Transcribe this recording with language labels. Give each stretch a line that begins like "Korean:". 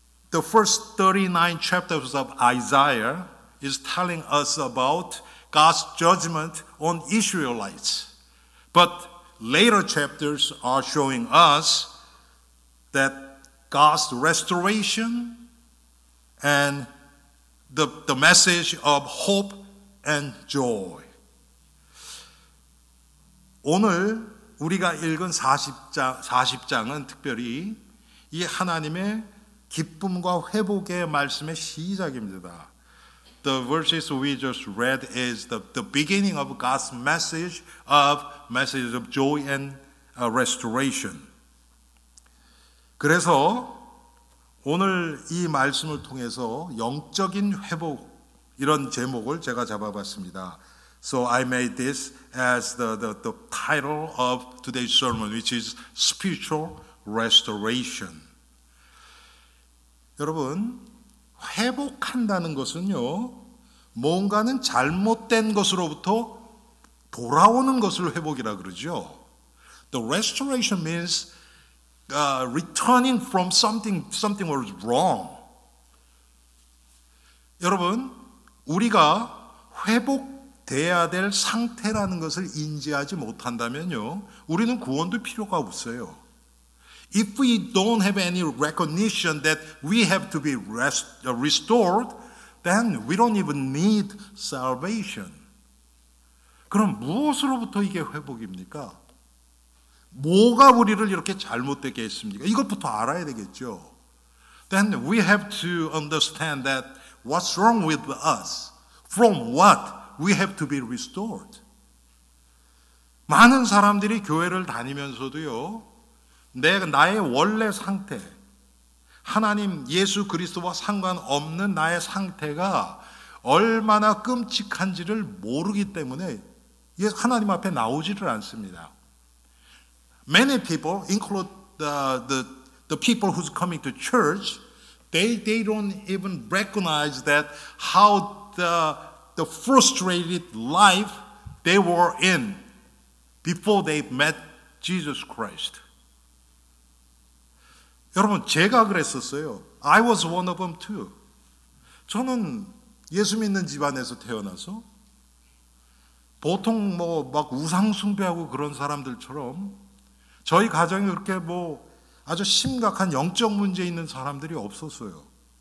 English: The first 39 chapters of Isaiah is telling us about God's judgment on Israelites. But later chapters are showing us that God's restoration and the message of hope and joy.
Korean: 오늘 우리가 읽은 40장은 특별히 이 하나님의 기쁨과 회복의 말씀의 시작입니다.
English: The verses we just read is the beginning of God's message of joy and restoration.
Korean: 그래서 오늘 이 말씀을 통해서 영적인 회복 이런 제목을 제가 잡아봤습니다.
English: So I made this as the title of today's sermon, which is Spiritual Restoration.
Korean: 여러분, 회복한다는 것은요, 뭔가는 잘못된 것으로부터 돌아오는 것을 회복이라 그러죠.
English: The restoration means returning from something was wrong.
Korean: 여러분, 우리가 회복돼야 될 상태라는 것을 인지하지 못한다면요, 우리는 구원도 필요가 없어요.
English: If we don't have any recognition that we have to be restored, then we don't even need salvation.
Korean: 그럼 무엇으로부터 이게 회복입니까? 뭐가 우리를 이렇게 잘못되게 했습니까? 이것부터 알아야 되겠죠.
English: Then we have to understand that what's wrong with us, from what we have to be restored.
Korean: 많은 사람들이 교회를 다니면서도요, 나의 원래 상태, 하나님 예수 그리스도와 상관없는 나의 상태가 얼마나 끔찍한지를 모르기 때문에 하나님 앞에 나오지를 않습니다.
English: Many people, include the people who's coming to church, they don't even recognize that how the frustrated life they were in before they met Jesus Christ.
Korean: 여러분, 제가 그랬었어요.
English: I was one of them too.
Korean: 저는 예수 믿는 집안에서 태어나서 보통 뭐 막 우상 숭배하고 그런 사람들처럼 저희 가정에 그렇게 뭐 아주 심각한 영적 문제 있는 사람들이 없었어요.